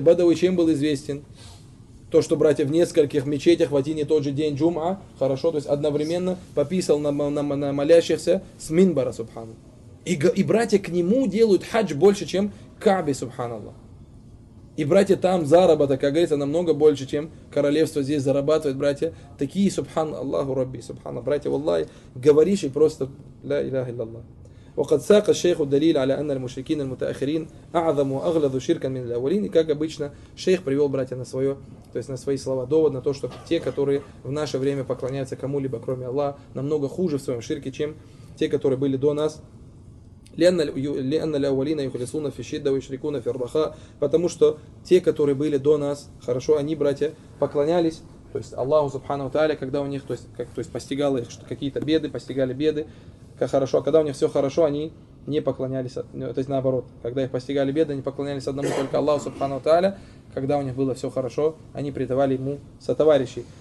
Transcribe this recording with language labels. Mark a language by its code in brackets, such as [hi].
[ru] Бадавый чем был известен? То, что, братья, в нескольких мечетях в один и тот же день джума, хорошо, то есть одновременно пописал на молящихся с минбара, субхану. И братья к нему делают хадж больше, чем к Каабе, субханаллах. И, братья, там заработок, как говорится, намного больше, чем королевство здесь зарабатывает, братья. Такие, субхан Аллаху Рабби, субхана, братья, валлай, говоришь и просто, ля иляха илляллах. [ar] وقد ساق الشيخ الدليل على أن المشركين المتأخرين أعظم وأغلظ شركا من الأولين. [ru] И как обычно, шейх привел, братья, на свое, то есть на свои слова, довод на то, что те, которые в наше время поклоняются кому-либо, кроме Аллаха, намного хуже в своем ширке, чем те, которые были до нас. [ar] لأن الأولين يخلصون في الشدة ويشركون في الرخاء. [ru] Потому что те, которые были до нас, хорошо, они, братья, поклонялись, то есть Аллаху Субхану Тааля, когда у них, то есть, как, то есть постигало их какие-то беды, постигали беды, как хорошо, а когда у них все хорошо, они не поклонялись, то есть наоборот, когда их постигали беды, они поклонялись одному только Аллаху Субхану Тааля, когда у них было все хорошо, они предавали ему сотоварищей.